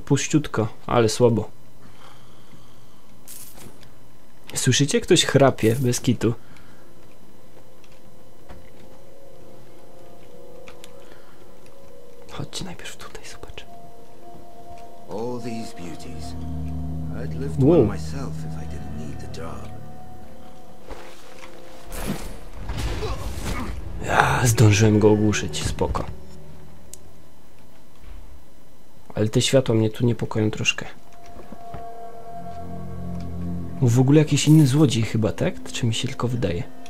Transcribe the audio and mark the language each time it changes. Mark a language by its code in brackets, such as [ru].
[pl] Puściutko, ale słabo. Słyszycie? Ktoś chrapie bez kitu. Chodźcie najpierw tutaj. [en] These beauties. I'd lift one myself if I didn't need the job. [pl] Ja, zdążyłem go ogłuszyć, spoko. Ale te światła mnie tu niepokoją troszkę. Bo w ogóle jakiś inny złodziej chyba, tak? Czy mi się tylko wydaje?